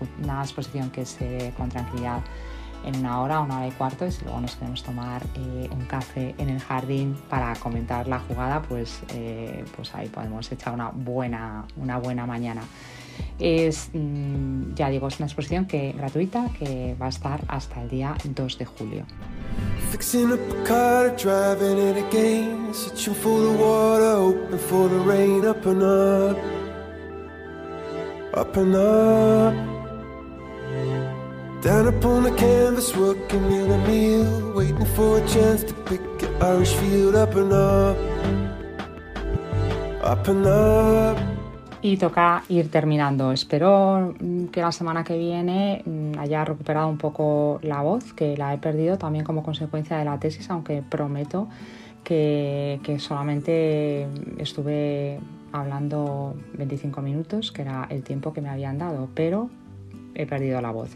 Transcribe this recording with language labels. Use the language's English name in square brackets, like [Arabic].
[Spanish] Una exposición que se ve con tranquilidad en una hora y cuarto, y si luego nos queremos tomar un café en el jardín para comentar la jugada, pues ahí podemos echar una buena mañana. Es, ya digo, es una exposición que gratuita, que va a estar hasta el día 2 de julio. [English] Fixing up a car, driving it again, searching for the water, hoping for the rain, up and up, up and up. Down upon the canvas, working in a meal, waiting for a chance to pick an Irish field, up and up, up and up. [Spanish] y toca ir terminando. Espero que la semana que viene haya recuperado un poco la voz, que la he perdido también como consecuencia de la tesis, aunque prometo que solamente estuve hablando 25 minutos, que era el tiempo que me habían dado, pero he perdido la voz.